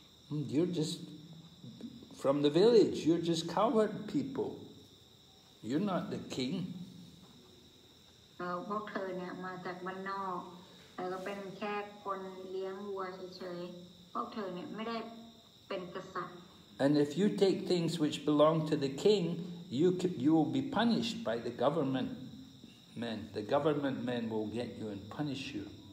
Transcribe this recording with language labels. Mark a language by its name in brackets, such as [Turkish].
[English] You're just from the village, you're just coward people. You're not the king. [Thai] เออพวกเธอเนี่ยมาจากบ้านนอกแล้วก็เป็นแค่คนเลี้ยงวัวเฉยๆพวกเธอเนี่ยไม่ได้เป็นกษัตริย์ [English] And if you take things which belong to the king, you will be punished by the government men. The government men will get you and punish you.